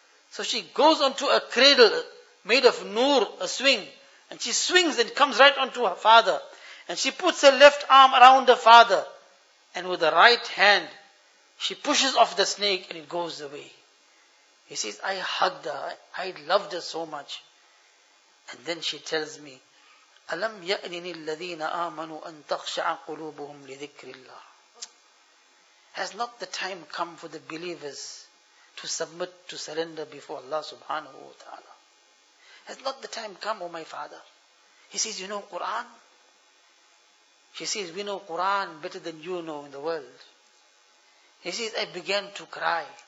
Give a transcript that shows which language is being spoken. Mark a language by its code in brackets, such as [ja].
[en] So she goes onto a cradle made of noor, a swing. And she swings and comes right onto her father. And she puts her left arm around her father. And with the right hand, she pushes off the snake and it goes away. He says, I hugged her. I loved her so much. And then she tells me, [ar] أَلَمْ يَأْنِنِ الَّذِينَ آمَنُوا أَن تَخْشَعَ قُلُوبُهُمْ لِذِكْرِ اللَّهِ. [en] Has not the time come for the believers to submit, to surrender before Allah subhanahu wa ta'ala? Has not the time come, O my father? He says, you know Quran? She says, we know Quran better than you know in the world. He says, I began to cry.